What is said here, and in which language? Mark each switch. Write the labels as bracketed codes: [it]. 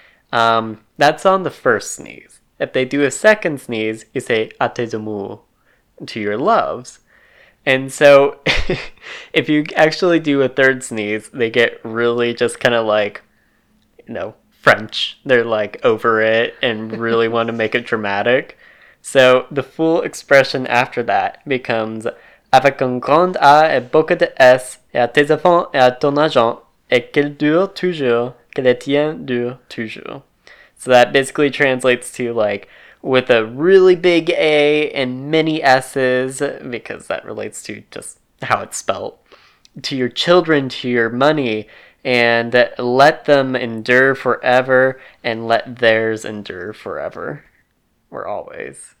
[en] That's on the first sneeze. If they do a second sneeze, you say [fr] à tes amours, [en] to your loves. And so, if you actually do a third sneeze, they get really just kind of like, you know, French. They're like over it and really want to make it dramatic. So, the full expression after that becomes... [fr] Avec un grand A et beaucoup de S, et à tes enfants et à ton agent, et qu'il dure toujours, que les tiens durent toujours. [en] So that basically translates to, like, with a really big A and many S's, because that relates to just how it's spelt, to your children, to your money, and let them endure forever, and let theirs endure forever. Or always.